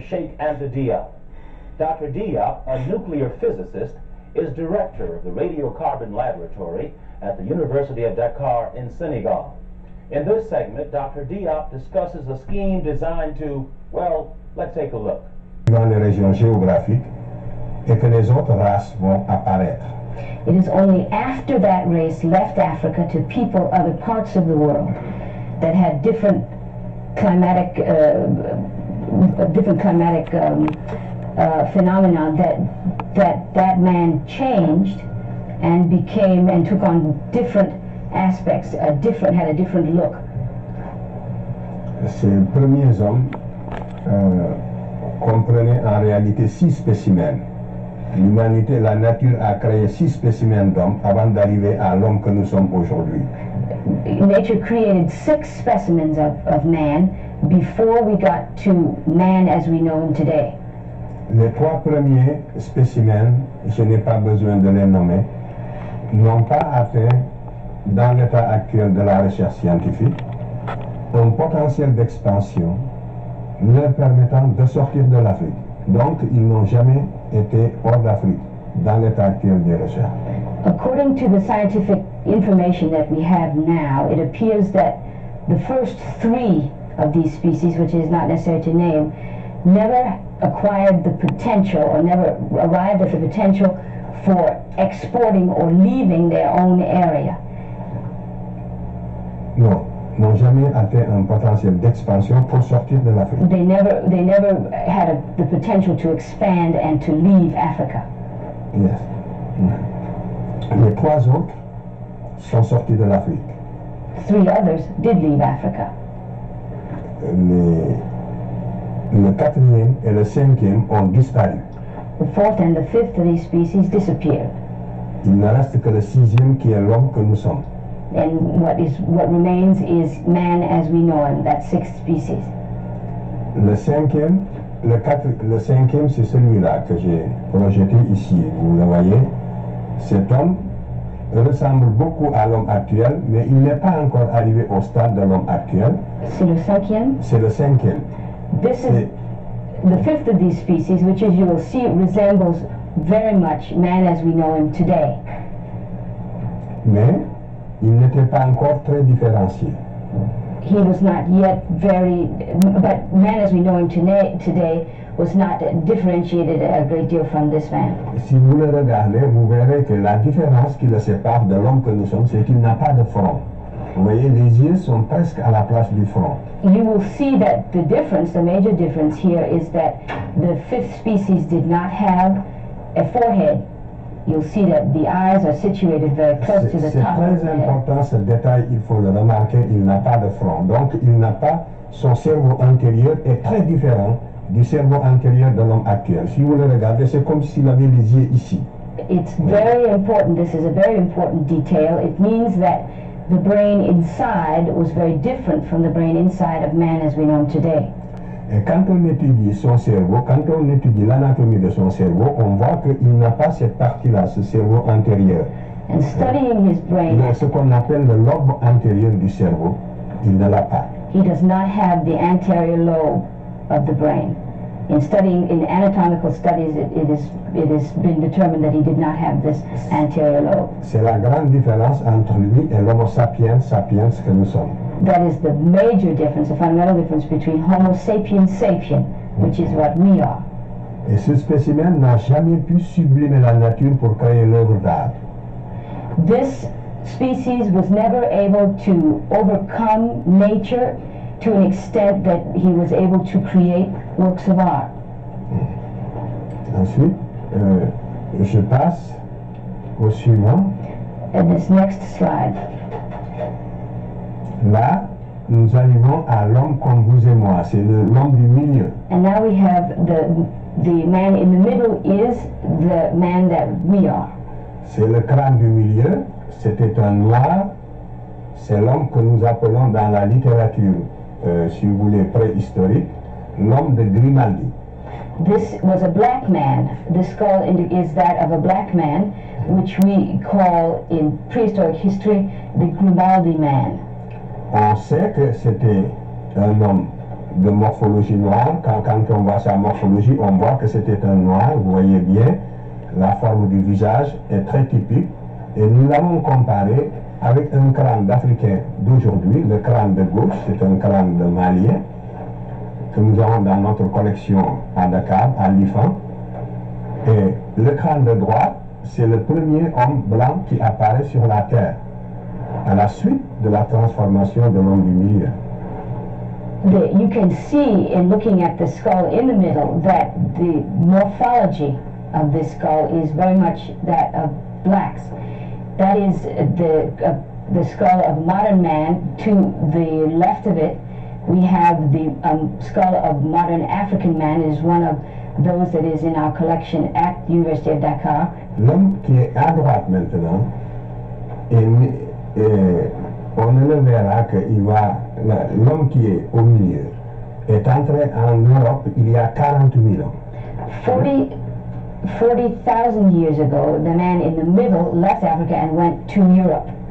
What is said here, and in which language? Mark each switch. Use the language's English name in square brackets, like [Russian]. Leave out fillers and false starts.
[English] Sheikh Anta Diop. Dr. Diop, a nuclear physicist, is director of the Radiocarbon Laboratory at the University of Dakar in Senegal. In this segment, Dr. Diop discusses a scheme designed to, well, let's take a look. [French] Dans les régions géographiques et que les autres races vont apparaître. [English] It is only after that race left Africa to people other parts of the world that had different climatic phenomena that man changed and became and took on different aspects, had a different look. [French] Ces premiers hommes comprenaient en réalité six spécimens. L'humanité, la nature a créé six spécimens d'hommes avant d'arriver à l'homme que nous sommes aujourd'hui. [English] Nature created six specimens of man before we got to man as we know him today. [French] Les trois premiers spécimens, je n'ai pas besoin de les nommer, n'ont pas atteint, dans l'état actuel de la recherche scientifique, un potentiel d'expansion leur permettant de sortir de l'Afrique. Donc, ils n'ont jamais été hors d'Afrique dans l'état actuel des recherches. [English] According to the scientific information that we have now, it appears that the first three of these species, which is not necessary to name, never acquired the potential or never arrived at the potential for exporting or leaving their own area. [French] Non. N'ont jamais atteint un potentiel d'expansion pour sortir de l'Afrique. [English] They never had the potential to expand and to leave Africa. Yes. [French] Les trois autres sont sortis de l'Afrique. [English] Three others did leave Africa. [French] Le quatrième et le cinquième ont disparu. [English] The fourth and the fifth of these species disappeared. [French] Il ne reste que le sixième qui est l'homme que nous sommes. [English] And what remains is man as we know him, that sixth species. [French] Le cinquième, c'est celui-là que j'ai projeté ici. Vous le voyez, cet homme ressemble beaucoup à l'homme actuel, mais il n'est pas encore arrivé au stade de l'homme actuel. C'est le cinquième. [English] The fifth of these species, which as you will see, resembles very much man as we know him today. [French] Mais il n'était pas encore très différencié. [English] He was not yet very, but man as we know him today was not differentiated a great deal from this man. [French] Si vous le regardez, vous verrez que la différence qui le sépare de l'homme que nous sommes, c'est qu'il n'a pas de front. Vous voyez, les yeux sont presque à la place du front. [English] You will see that the difference, the major difference here, is that the fifth species did not have a forehead. You'll see that the eyes are situated very close to the top of the head. [French] C'est très important ce détail, il faut le remarquer, il n'a pas de front. Donc il n'a pas, son cerveau antérieur est très différent du cerveau antérieur de l'homme actuel. Si vous le regardez, c'est comme s'il avait les yeux ici. [English] It's very important, this is a very important detail. It means that the brain inside was very different from the brain inside of man as we know him today. [French] Et quand on étudie son cerveau, quand on étudie l'anatomie de son cerveau, on voit qu'il n'a pas cette partie-là, ce cerveau antérieur. [English] And studying his brain, [French] il a ce qu'on appelle le lobe antérieur du cerveau, il ne l'a pas. [English] He does not have the anterior lobe of the brain. In anatomical studies, it has been determined that he did not have this anterior lobe. [French] C'est la grande différence entre lui et l'homo sapiens que nous sommes. [English] That is the major difference, the fundamental difference between Homo sapiens sapien, which is what we are. [French] Et ce spécimen n'a jamais pu sublimer la nature pour créer l'œuvre d'art. [English] This species was never able to overcome nature to an extent that he was able to create works of art. [French] Ensuite, je passe au suivant. [English] And this next slide. [French] Là, nous arrivons à l'homme comme vous et moi, c'est l'homme du milieu. [English] And now we have the man in the middle is the man that we are. [French] C'est le crâne du milieu, c'était un noir, c'est l'homme que nous appelons dans la littérature, si vous voulez, préhistorique, l'homme de Grimaldi. [English] This was a black man, the skull is that of a black man, which we call in prehistoric history the Grimaldi man. [French] On sait que c'était un homme de morphologie noire. Quand on voit sa morphologie, on voit que c'était un noir. Vous voyez bien, la forme du visage est très typique. Et nous l'avons comparé avec un crâne d'Africain d'aujourd'hui. Le crâne de gauche, c'est un crâne de Malien que nous avons dans notre collection à Dakar, à l'IFAN. Et le crâne de droite, c'est le premier homme blanc qui apparaît sur la Terre à la suite de la transformation de l'homme du milieu. [English] You can see in looking at the skull in the middle that the morphology of this skull is very much that of blacks. That is the skull of modern man. To the left of it, we have the skull of modern African man. Is one of those that is in our collection at the University of Dakar. [French] L'homme qui est à droite maintenant, et on ne le verra que il va. L'homme qui est au milieu est entré en Europe il y a 40,000 ans. [English] 40,000 years ago, the man in the middle left Africa and went to Europe.